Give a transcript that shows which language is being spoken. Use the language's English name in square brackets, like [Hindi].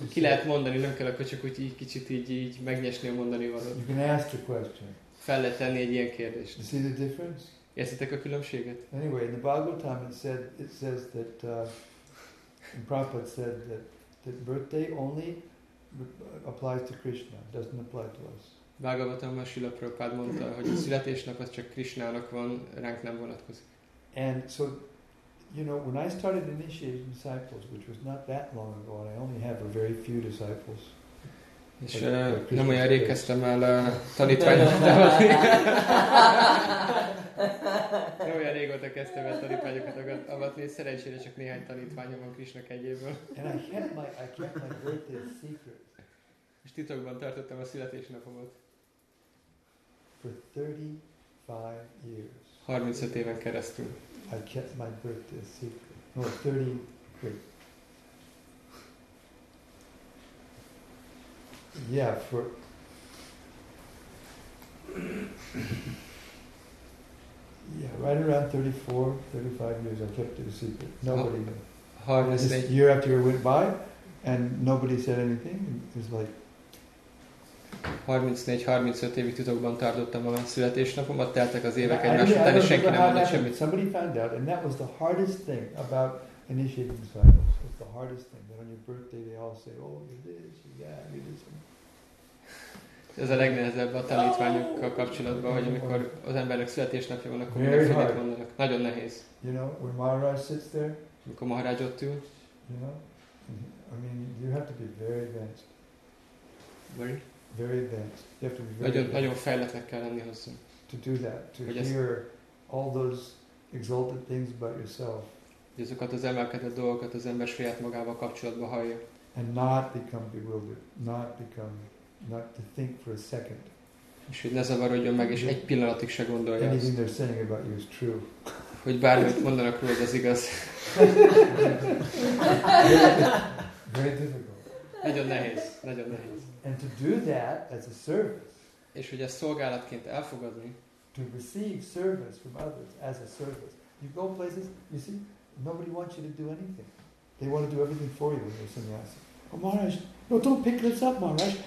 [Hungarian] ki lehet mondani, nem kell akkor csak úgy kicsit így megnyesni a mondani valót. [English] You can ask a question. [Hungarian] Fel lehet tenni egy ilyen kérdést. [English] You see the difference? [Hungarian] Értitek a különbséget? [English] Anyway, in the Bhagavatam it says that Prabhupada said that birthday only applies to Krishna, doesn't apply to us. [Hungarian] Bhagavatam, Srila Prabhupada mondta, hogy a születésnap az csak Krishnának van, ránk nem vonatkozik. [English] And so, you know, when I started initiating disciples, which was not that long ago, and I only have a very few disciples. [Hungarian] És nem olyan rég kezdtem el tanítványokat. Nem olyan régóta kezdtem el tanítványokat avatni, és szerencsére csak néhány tanítványom van Krishna kegyéből. [English] And I kept my birthday secret. [Hungarian] És titokban tartottam a születésnapomat. [English] For 35 years. [Hungarian] 35 éven keresztül. [English] I kept my birthday secret. No, 33. Yeah, for... Yeah, right around 34, 35 years I kept it a secret. Nobody knew. Hardest thing. Year after year went by, and nobody said anything. It was like... [Hungarian] 34-35 évig titokban tartottam a születésnapomat, teltek az évek egymás után, és senki nem mondott semmit. [English] Somebody found out, and that was the hardest thing about initiating disciples. It's the hardest thing. That on your birthday they all say, oh, you this, you that, you this. [Hungarian] Ez a legnehezebb a tanítványokkal kapcsolatban, hogy amikor az embernek születésnapja van, akkor mindenféle mondanak. Nagyon nehéz. [English] You know, when Maharaj sits there, [Hungarian] Mikor Maharaj ott ül. [English] I mean, you have to be very advanced. Very? Very advanced. You have to be very [Hungarian] nagyon, nagyon fejletnek kell lenni hozzá. [English] To do that, to hear all those exalted things about yourself. [Hungarian] Ezeket az emelkedett dolgokat az ember saját magával kapcsolatba hallja. [English] And not become bewildered, not become, not to think for a second. [Hungarian] És hogy ne zavarodjon meg, és egy pillanatig se gondolja azt. [English] Anything they're saying about you is true. [Hungarian] Hogy bármit mondanak róla, az igaz. [English] Very difficult. [Hungarian] Nagyon nehéz, nagyon nehéz. [English] And to do that as a service. [Hungarian] És hogy ezt szolgálatként elfogadni. [English] To receive service from others as a service. You go places, you see, nobody wants you to do anything. They want to do everything for you when you're sannyasi. Oh, Maharaj, no, don't pick this up, Maharaj.